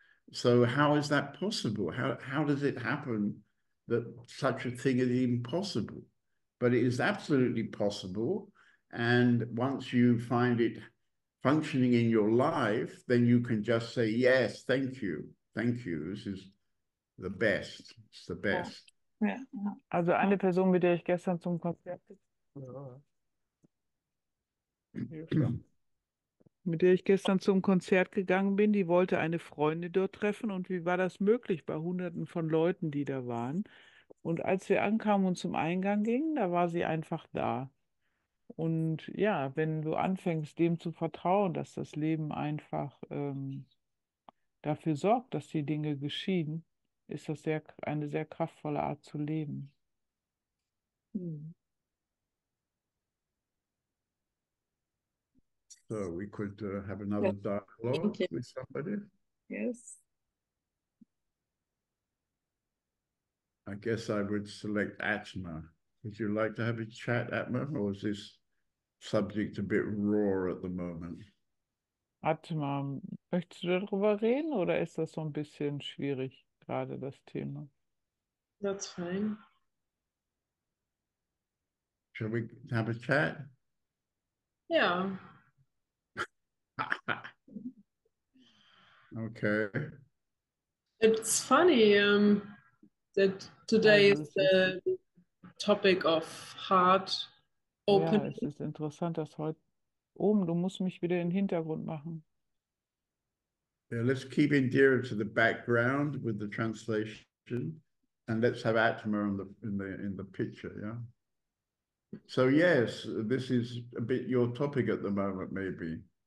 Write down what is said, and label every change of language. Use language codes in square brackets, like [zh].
[en] So how is that possible? How does it happen that such a thing is even possible? But it is absolutely possible, and once you find it functioning in your life, then you can just say, yes, thank you, this is the best, it's the best. Yeah. [de] Also eine Person, mit der ich gestern zum Konzert gegangen bin, die wollte eine Freundin dort treffen, und wie war das möglich bei hunderten von Leuten, die da waren? Und als wir ankamen und zum Eingang gingen, da war sie einfach da. Und ja, wenn du anfängst, dem zu vertrauen, dass das Leben einfach dafür sorgt, dass die Dinge geschehen, ist das sehr, eine sehr kraftvolle Art zu leben. [en] So, we could have another dialogue with somebody. Yes. I guess I would select Atma. Would you like to have a chat, Atma, or is this subject a bit raw at the moment? [de] Atma, möchtest du darüber reden, oder ist das so ein bisschen schwierig, gerade das Thema? [en] That's fine. Shall we have a chat? Yeah. Okay. It's funny that today is the topic of heart open. [de] Ja, es ist interessant, dass heute oben, du musst mich wieder in den Hintergrund machen. [en] Yeah, let's keep Indira to the background with the translation, and let's have Atma in the picture, yeah. So yes, this is a bit your topic at the moment, maybe.